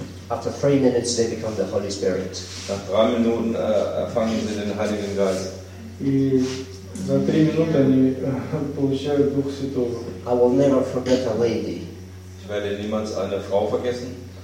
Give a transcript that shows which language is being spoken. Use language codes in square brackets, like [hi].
[en] After 3 minutes, they become the Holy Spirit. [de] Nach 3 Minuten erfangen sie den Heiligen Geist. [en] I will never forget a lady. [de] Ich werde niemals eine Frau vergessen.